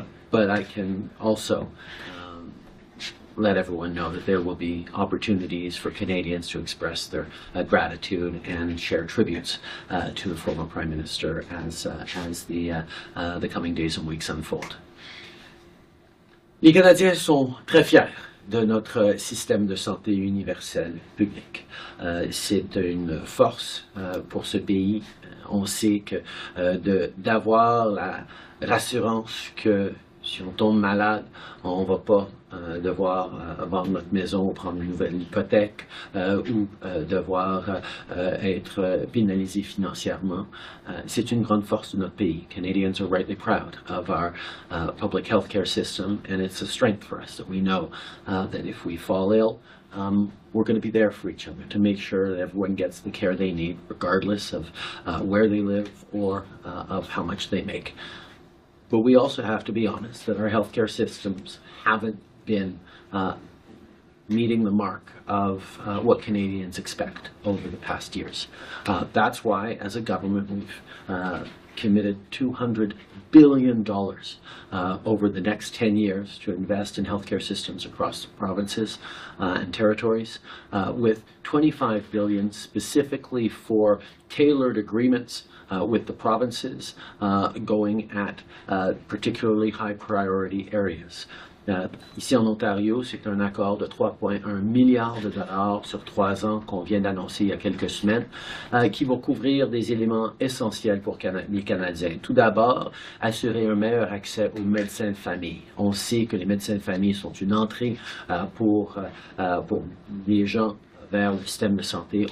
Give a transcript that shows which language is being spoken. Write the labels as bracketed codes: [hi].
[en] But I can also let everyone know that there will be opportunities for Canadians to express their gratitude and share tributes to the former Prime Minister as the coming days and weeks unfold. [fr] Les Canadiens sont très fiers de notre système de santé universel public. C'est une force pour ce pays. On sait que d'avoir l'assurance que si on tombe malade, on ne va pas devoir vendre notre maison ou prendre une nouvelle hypothèque ou devoir être pénalisé financièrement. C'est une grande force de notre pays. [en] Canadians are rightly proud of our public health care system, and it's a strength for us that we know that if we fall ill, we're going to be there for each other to make sure that everyone gets the care they need, regardless of where they live or of how much they make. But we also have to be honest that our healthcare systems haven't been meeting the mark of what Canadians expect over the past years. That's why, as a government, we've committed $200 billion over the next 10 years to invest in healthcare systems across the provinces and territories, with $25 billion specifically for tailored agreements with the provinces going at particularly high priority areas. [fr] Ici en Ontario, c'est un accord de 3,1 milliards de dollars sur trois ans qu'on vient d'annoncer il y a quelques semaines, qui va couvrir des éléments essentiels pour les Canadiens. Tout d'abord, assurer un meilleur accès aux médecins de famille. On sait que les médecins de famille sont une entrée pour les gens vers le système de santé.